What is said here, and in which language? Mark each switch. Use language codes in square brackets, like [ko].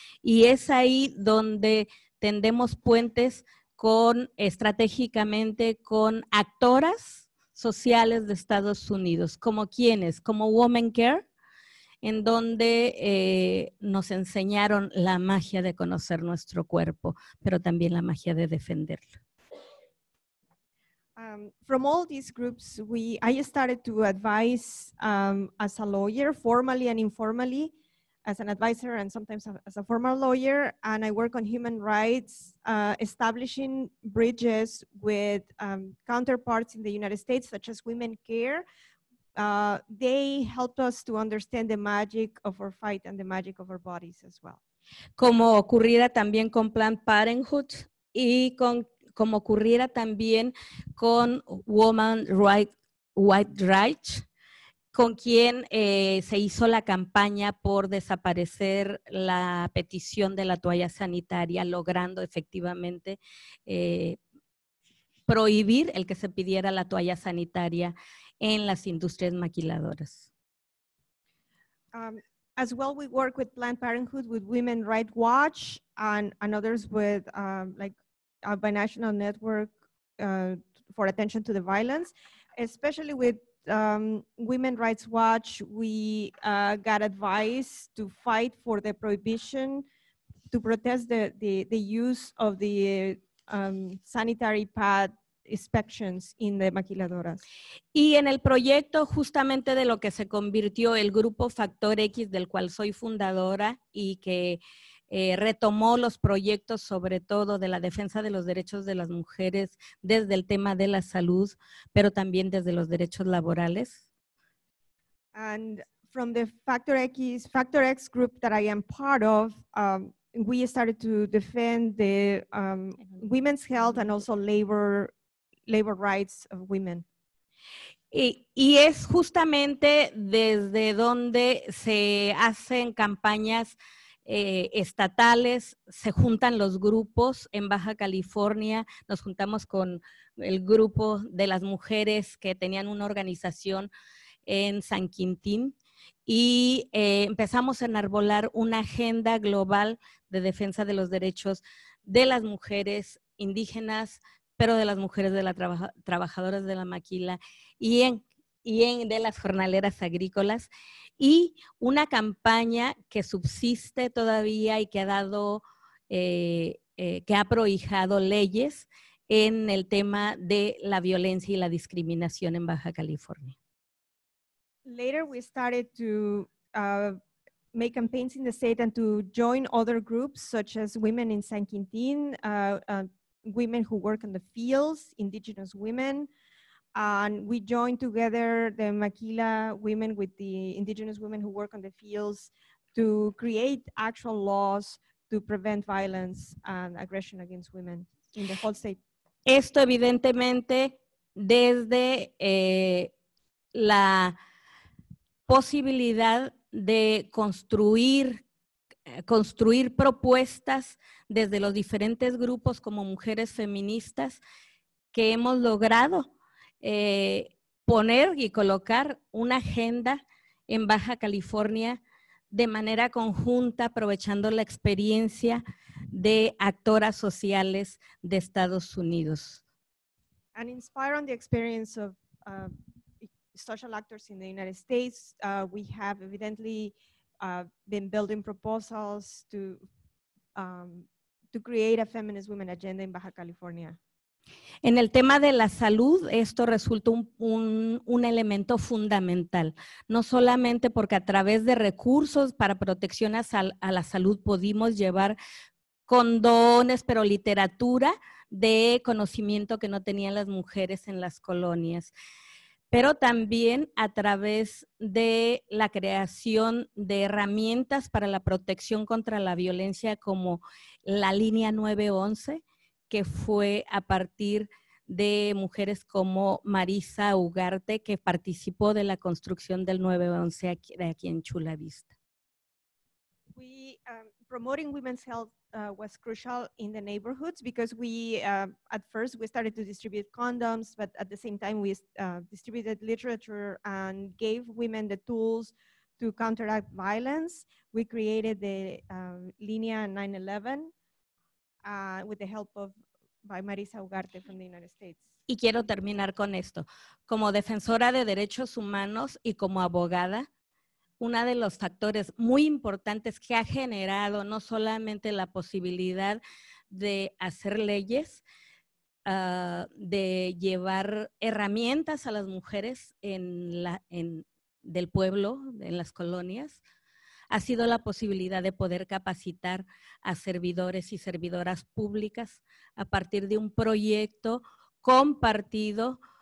[es] Y es ahí donde tendemos puentes con estratégicamente con actoras sociales de Estados Unidos, como quienes, como Women Care, en donde nos enseñaron la magia de conocer nuestro cuerpo, pero también la magia de defenderlo. [en] From all these groups, I started to advise as a lawyer, formally and informally, as an advisor and sometimes as a former lawyer, and I work on human rights, establishing bridges with counterparts in the United States, such as Women Care. They helped us to understand the magic of our fight and the magic of our bodies as well. [es] Como ocurriera también con Planned Parenthood y como ocurriera también con Woman White Rights, con quien se hizo la campaña por desaparecer la petición de la toalla sanitaria, logrando efectivamente prohibir el que se pidiera la toalla sanitaria en las industrias maquiladoras. [en] As well, we work with Planned Parenthood, with Women Rights Watch, and others with like a binational network for attention to the violence, especially with Women Rights Watch, we got advice to fight for the prohibition to protest the use of the sanitary pad inspections in the maquiladoras. [es] Y en el proyecto justamente de lo que se convirtió el grupo Factor X, del cual soy fundadora y que retomó los proyectos sobre todo de la defensa de los derechos de las mujeres desde el tema de la salud, pero también desde los derechos laborales. [en] And from the Factor X group that I am part of, we started to defend the women's health and also labor rights of women. [es] Y es justamente desde donde se hacen campañas estatales, se juntan los grupos en Baja California, nos juntamos con el grupo de las mujeres que tenían una organización en San Quintín y empezamos a enarbolar una agenda global de defensa de los derechos de las mujeres indígenas, pero de las mujeres de la trabajadoras de la maquila y de las jornaleras agrícolas, y una campaña que subsiste todavía y que ha dado, que ha prohijado leyes en el tema de la violencia y la discriminación en Baja California. [en] Later we started to make campaigns in the state and to join other groups such as women in San Quintín, women who work in the fields, indigenous women. And we joined together the Maquila women with the indigenous women who work on the fields to create actual laws to prevent violence and aggression against women in the whole state. [es] Esto evidentemente desde la posibilidad de construir propuestas desde los diferentes grupos como mujeres feministas que hemos logrado poner y colocar una agenda en Baja California de manera conjunta, aprovechando la experiencia de actoras sociales de Estados Unidos. [en] And inspired on the experience of social actors in the United States, we have evidently been building proposals to create a feminist women agenda in Baja California. [es] En el tema de la salud, esto resulta un elemento fundamental, no solamente porque a través de recursos para protección a la salud pudimos llevar condones, pero literatura de conocimiento que no tenían las mujeres en las colonias, pero también a través de la creación de herramientas para la protección contra la violencia como la línea 911, que fue a partir de mujeres como Marisa Ugarte, que participó de la construcción del 911 aquí en Chula Vista. [en] We, promoting women's health was crucial in the neighborhoods because we, at first, we started to distribute condoms, but at the same time, we distributed literature and gave women the tools to counteract violence. We created the Linea 911. With the help of by Marisa Ugarte from the United States. [es] Y quiero terminar con esto. Como defensora de derechos humanos y como abogada, uno de los factores muy importantes que ha generado no solamente la posibilidad de hacer leyes, de llevar herramientas a las mujeres del pueblo, en las colonias, ha sido la posibilidad de poder capacitar a servidores y servidoras públicas a partir de un proyecto compartido